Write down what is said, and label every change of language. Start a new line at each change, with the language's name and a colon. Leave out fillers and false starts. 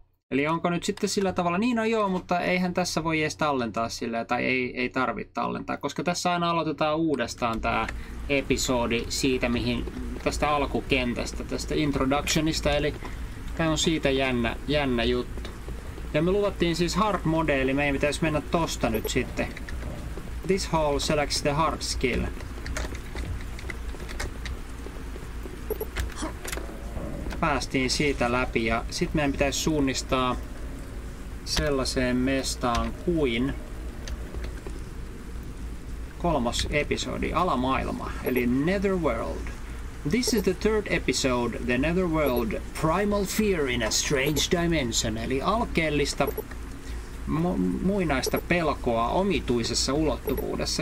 Finnish: Eli onko nyt sitten sillä tavalla, niin no joo, mutta eihän tässä voi edes tallentaa silleen, tai ei tarvitse tallentaa, koska tässä aina aloitetaan uudestaan tämä episodi siitä, mihin tästä alkukentästä, tästä introductionista, eli tämä on siitä jännä juttu. Ja me luvattiin siis hard mode, eli meidän pitäisi mennä tosta nyt sitten.
English: This hall selects the hard skill.
Finnish: Päästiin siitä läpi ja sitten meidän pitäisi suunnistaa sellaiseen mestaan kuin kolmas episodi, alamaailma, eli Netherworld.
English: This is the third episode, the Netherworld, primal fear in a strange dimension,
Finnish: eli alkeellista muinaista pelkoa omituisessa ulottuvuudessa.